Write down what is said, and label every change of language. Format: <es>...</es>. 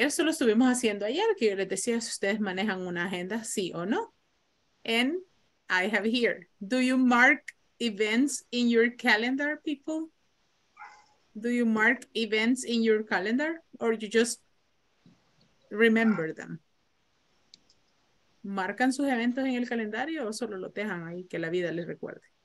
<es>Eso lo estuvimos haciendo ayer, que yo les decía si ustedes manejan una agenda, sí o no.</es> <en>And I have here, do you mark events in your calendar, people? Do you mark events in your calendar or you just remember them?</en> <es>¿Marcan sus eventos en el calendario o solo lo dejan ahí que la vida les recuerde?</es>